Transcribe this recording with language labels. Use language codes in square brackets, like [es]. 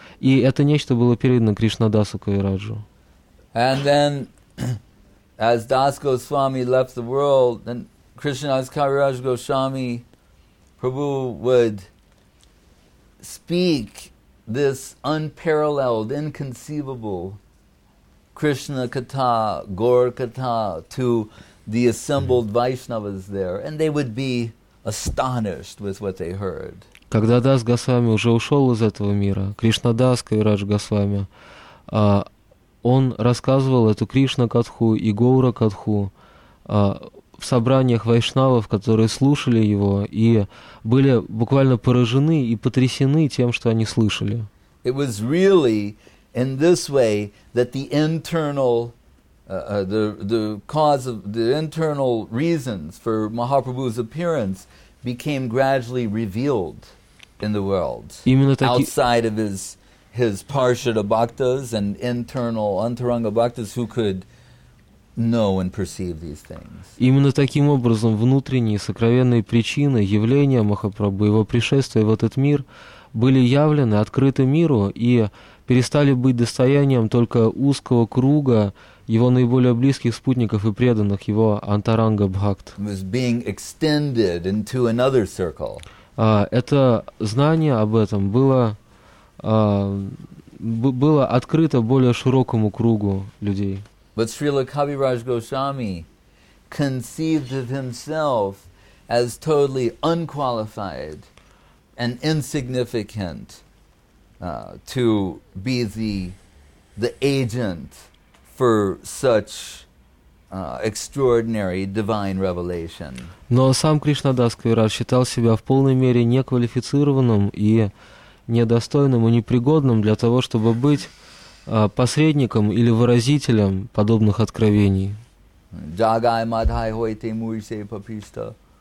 [ru] И это нечто было передано Кришнадасу Кавираджу. [en] And then, as Das Goswami left the world, then Krishnadas Kaviraj Goswami Prabhu would speak this unparalleled, inconceivable Krishna Katha, Gaur Katha to the assembled Vaishnavas there, and they would be astonished with what they heard. [ru] Когда Дас Госвами уже ушел из этого мира, Кришнадас Кавираж Госвами, он рассказывал эту Кришна Катху и Гаура Катху в собраниях вайшнавов, которые слушали его и были буквально поражены и потрясены тем, что они слышали. [en] It was really in this way that the internal the internal reasons for Mahaprabhu's appearance became gradually revealed in the world. [ru] Именно так, [en] outside of his parshada bhaktas and internal antaranga bhaktas who could know and perceive these things. [ru] Именно таким образом внутренние сокровенные причины явления Махапрабху, его пришествия в этот мир, были явлены, открыты миру и перестали быть достоянием только узкого круга его наиболее близких спутников и преданных, его антаранга бхакт. [en] Was being extended into another circle. [ru] Это знание об этом было, было открыто более широкому кругу людей. [en] But Srila Kaviraj Goswami conceived of himself as totally unqualified and insignificant to be the agent for such extraordinary divine revelation. [ru] Но сам Кришнадас Кавираж считал себя в полной мере неквалифицированным и недостойным и непригодным для того, чтобы быть посредником или выразителем подобных откровений. [bn] Джагай мадхай хойте муисе паписта.